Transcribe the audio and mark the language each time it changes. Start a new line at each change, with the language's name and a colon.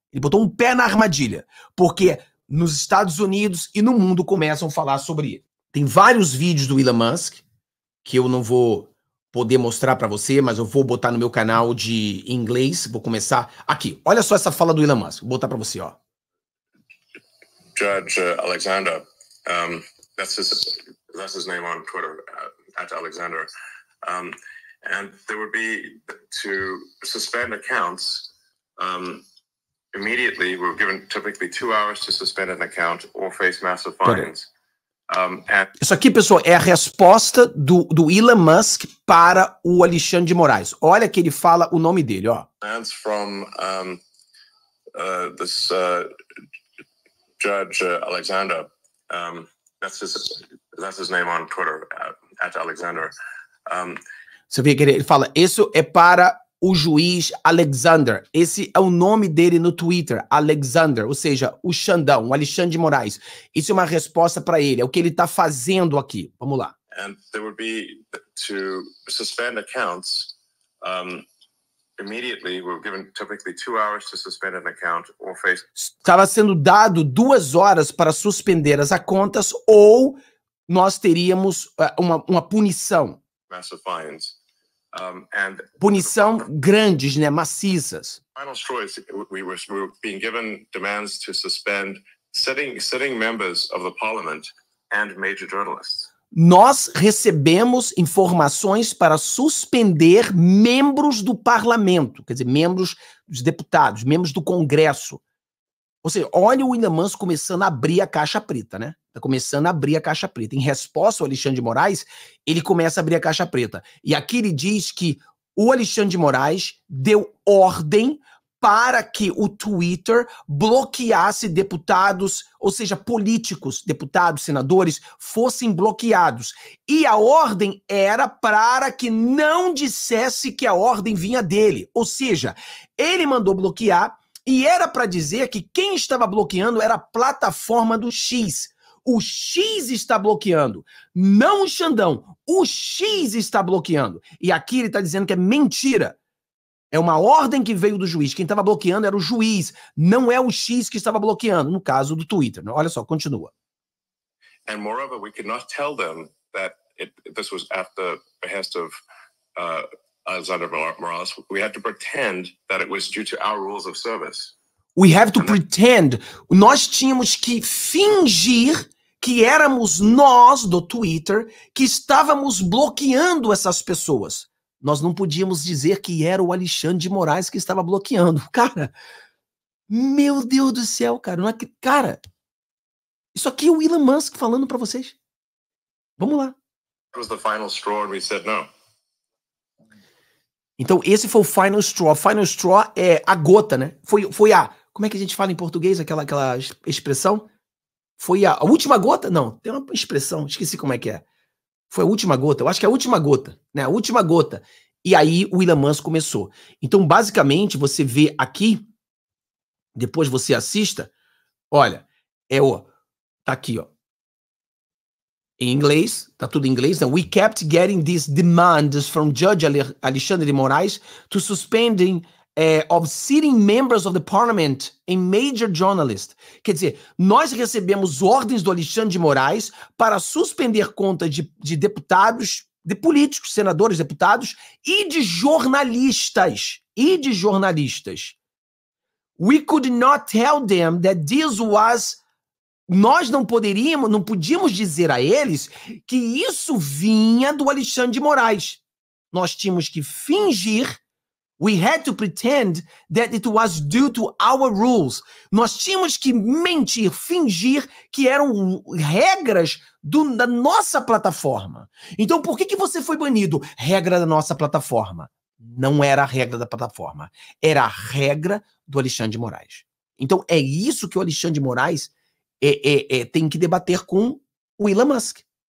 Portuguese: Ele botou um pé na armadilha, porque nos Estados Unidos e no mundo começam a falar sobre ele. Tem vários vídeos do Elon Musk, que eu não vou poder mostrar para você, mas eu vou botar no meu canal de inglês, vou começar aqui. Olha só essa fala do Elon Musk, vou botar para você, ó.
English: Judge Alexander, that's his name on Twitter, at Alexander. And there would be to suspend accounts immediately. We're given typically 2 hours to suspend an account or face massive fines.
Portuguese: Isso aqui, pessoal, é a resposta do Elon Musk para o Alexandre de Moraes. Olha que ele fala o nome dele, ó.
English: Plans from this judge Alexander. That's his name on Twitter, at Alexander.
Portuguese: Você vê que ele fala, isso é para o juiz Alexander. Esse é o nome dele no Twitter, Alexander, ou seja, o Xandão, o Alexandre de Moraes. Isso é uma resposta para ele, é o que ele está fazendo aqui. Vamos lá.
English: And there would be to suspend accounts immediately. We're given typically 2 hours to suspend an account or face.
Portuguese: Estava sendo dado 2 horas para suspender as contas ou nós teríamos uma punição.
English: Massive fines. And
Portuguese: punição grandes, né, maciças.
English: Final choice, we were being given demands to suspend sitting members of the parliament and major journalists.
Portuguese: Nós recebemos informações para suspender membros do parlamento, quer dizer, membros dos deputados, membros do congresso. Ou seja, olha o Elon Musk começando a abrir a caixa preta, né? Tá começando a abrir a caixa preta. Em resposta ao Alexandre de Moraes, ele começa a abrir a caixa preta. E aqui ele diz que o Alexandre de Moraes deu ordem para que o Twitter bloqueasse deputados, ou seja, políticos, deputados, senadores, fossem bloqueados. E a ordem era para que não dissesse que a ordem vinha dele. Ou seja, ele mandou bloquear e era para dizer que quem estava bloqueando era a plataforma do X. O X está bloqueando, não o Xandão. O X está bloqueando. E aqui ele está dizendo que é mentira. É uma ordem que veio do juiz. Quem estava bloqueando era o juiz, não é o X que estava bloqueando, no caso do Twitter. Olha só, continua.
English: And moreover, we could not tell them that this was at the behest of Alexander Morales. We had to pretend that it was due to our rules of service. We have to pretend.
Portuguese: Nós tínhamos que fingir que éramos nós do Twitter que estávamos bloqueando essas pessoas. Nós não podíamos dizer que era o Alexandre de Moraes que estava bloqueando. Cara, meu Deus do céu, cara. Não é que, cara, isso aqui é o Elon Musk falando para vocês. Vamos lá.
English: It was the final straw and we said no.
Portuguese: Então, esse foi o final straw. Final straw é a gota, né? Foi a... Como é que a gente fala em português aquela expressão? Foi a última gota? Não, tem uma expressão. Esqueci como é que é. Foi a última gota. Eu acho que é a última gota, né? A última gota. E aí o Elon Musk começou. Então, basicamente, você vê aqui. Depois você assista. Olha, é o... Tá aqui, ó. Em inglês, tá tudo em inglês, né?
English: We kept getting these demands from Judge Alexandre de Moraes to suspending of sitting members of the parliament and major journalists.
Portuguese: Quer dizer, nós recebemos ordens do Alexandre de Moraes para suspender conta de deputados, de políticos, senadores, deputados e de jornalistas. E de jornalistas.
English: We could not tell them that this was...
Portuguese: Nós não podíamos dizer a eles que isso vinha do Alexandre de Moraes. Nós tínhamos que fingir,
English: we had to pretend that it was due to our rules.
Portuguese: Nós tínhamos que mentir, fingir que eram regras da nossa plataforma. Então, por que você foi banido? Regra da nossa plataforma. Não era a regra da plataforma. Era a regra do Alexandre de Moraes. Então, é isso que o Alexandre de Moraes tem que debater com o Elon Musk.